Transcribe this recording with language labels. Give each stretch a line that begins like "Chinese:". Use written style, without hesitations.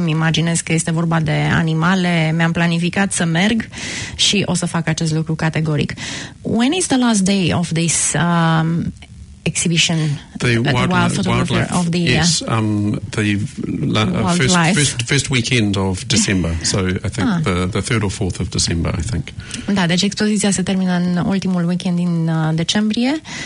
Romanian: Îmi imaginez că este vorba de animale. Mi-am planificat să merg și o să fac acest lucru categoric.
English: When is the last day of this exhibition? The first weekend of December. So I think the third or fourth of December, I think.
Romanian: Da, deci expoziția se termină în ultimul weekend din decembrie.